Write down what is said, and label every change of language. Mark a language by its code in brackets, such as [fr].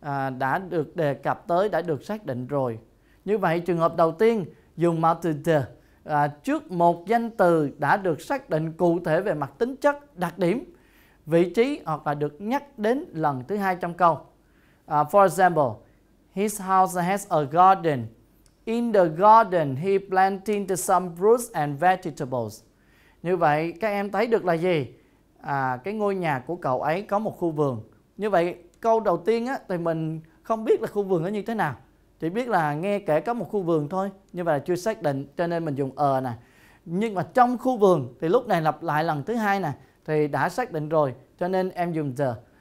[vi] Đã được đề cập tới, đã được xác định rồi. Như vậy trường hợp đầu tiên dùng mạo từ the, trước một danh từ đã được xác định cụ thể về mặt tính chất, đặc điểm, vị trí hoặc là được nhắc đến lần thứ hai trong câu. [en] For example, his house has a garden. In the garden, he planted some fruits and vegetables. [vi] Như vậy, các em thấy được là gì? Cái ngôi nhà của cậu ấy có một khu vườn. Như vậy, câu đầu tiên á, thì mình không biết là khu vườn nó như thế nào. Chỉ biết là nghe kể có một khu vườn thôi. Như vậy là chưa xác định, cho nên mình dùng nè. Nhưng mà trong khu vườn, thì lúc này lặp lại lần thứ hai nè, thì đã xác định rồi, cho nên em dùng the.